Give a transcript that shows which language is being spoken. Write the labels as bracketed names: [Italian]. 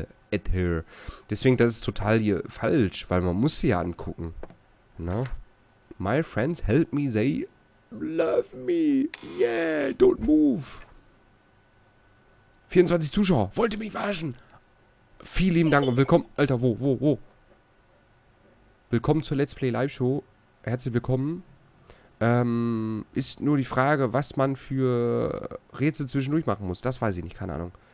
[English] At her. [German] Deswegen, das ist total hier falsch, weil man muss sie ja angucken. Na? [English] My friends help me, they love me. Yeah, don't move. [German] 24 Zuschauer. Wollt ihr mich waschen? Vielen lieben Dank und willkommen. Alter, wo? Willkommen zur Let's Play Live Show. Herzlich willkommen. Ist nur die Frage, was man für Rätsel zwischendurch machen muss. Das weiß ich nicht, keine Ahnung.